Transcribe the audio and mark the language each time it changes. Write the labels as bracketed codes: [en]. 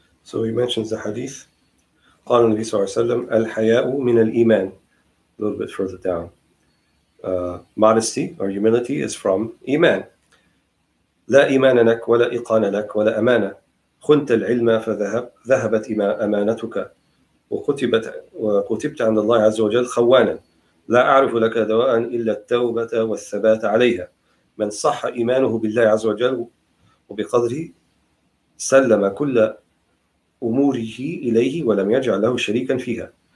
[en] So he mentions the hadith. [ar] قال النبي صلى الله عليه وسلم الحياء من الإيمان. [en] A little bit further down. Modesty or humility is from إيمان. [ar] لا إيمان لك ولا إقان لك ولا أمانة. خنت العلم فذهبت أمانتك وكتبت عند الله عز وجل خوانا. لا أعرف لك دواء إلا التوبة والثبات عليها. من صح إيمانه بالله عز وجل وبقدره سلم كل أموره إليه ولم يجعل له شريكا فيها.